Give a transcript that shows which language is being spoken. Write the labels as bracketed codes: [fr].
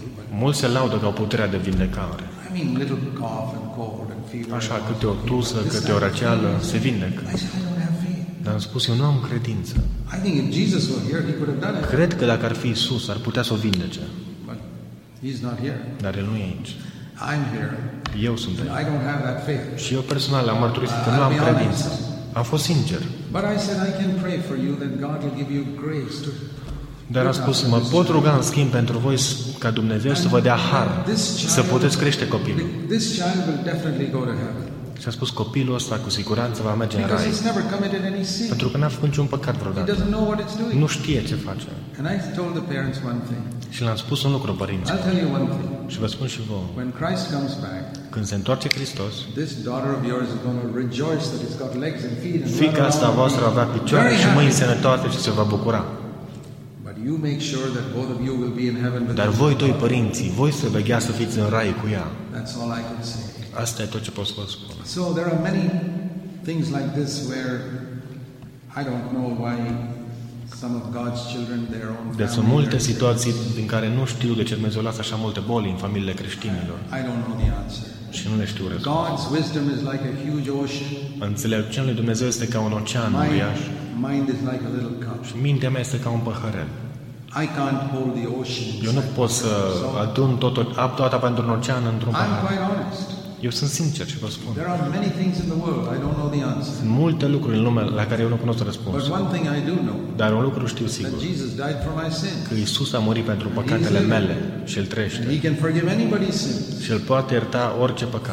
[ro] Mulți se laudă că au puterea de vindecare. [en] I mean, little cough and cold and fever. [ro] Așa, câte o tusă, câte o răceală, se vindecă. Dar am spus, eu nu am credință. [en] I think if Jesus were here, he could have done it. [ro] Cred că dacă ar fi Isus, ar putea să o vindece. [en] He's not here. [ro] Dar el nu e aici. [en] I'm here. [ro] Eu sunt aici. [en] I don't have that faith. [ro] Și eu personal am mărturisit că nu am credință. Am fost sincer. [en] But I said I can pray for you that God will give you grace to. [ro] Dar a spus, mă pot ruga în schimb pentru voi ca Dumnezeu să vă dea har să puteți crește copilul. [en] This child will definitely go to heaven. [ro] Și a spus, copilul ăsta cu siguranță va merge în rai. [en] He's never committed any sin. [ro] Pentru că n-a făcut niciun păcat vreodată. [en] He doesn't know what it's doing. [ro] Nu știe ce face. [en] And I told the parents one thing. [ro] Și le-am spus un lucru, părinților. [en] I'll tell you one thing. [ro] Și vă spun și vouă. [en] When Christ comes back, [ro] când se întoarce Hristos, [en] this daughter of yours is going to rejoice that it's got legs and feet and run. [ro] Fiica asta voastră va avea picioare și mâini sănătoase și se va bucura. [en] But you make sure that both of you will be in heaven with. [ro] Dar voi doi părinți, voi să vegheați să fiți în rai cu ea. [en] That's all I can say. [ro] Asta e tot ce pot să vă spun. [en] So there are many things like this where I don't know why some of God's children, their own family. [ro] Deci sunt multe situații din care nu știu de ce Dumnezeu lasă așa multe boli în familiile creștinilor. [en] I don't know the answer. [ro] Și nu le știu răspunsul. [en] God's wisdom is like a huge ocean. [ro] Înțelepciunea lui Dumnezeu este ca un ocean uriaș. [en] Mind is like a little cup. [ro] Și mintea mea este ca un păhărel. [en] I can't hold the ocean. [ro] Eu nu pot să adun toată apa într-un ocean într-un pahar. [en] I'm quite honest. [ro] Eu sunt sincer și vă spun. [en] There are many things in the world I don't know the answer. [ro] Sunt multe lucruri în lume la care eu nu cunosc răspunsul. [en] But one thing I do know. [ro] Dar un lucru știu sigur. [en] That Jesus died for my sins. [ro] Că Iisus a murit pentru păcatele mele și El trăiește. [en] He can forgive anybody's sins. [ro] Și El poate ierta orice păcat.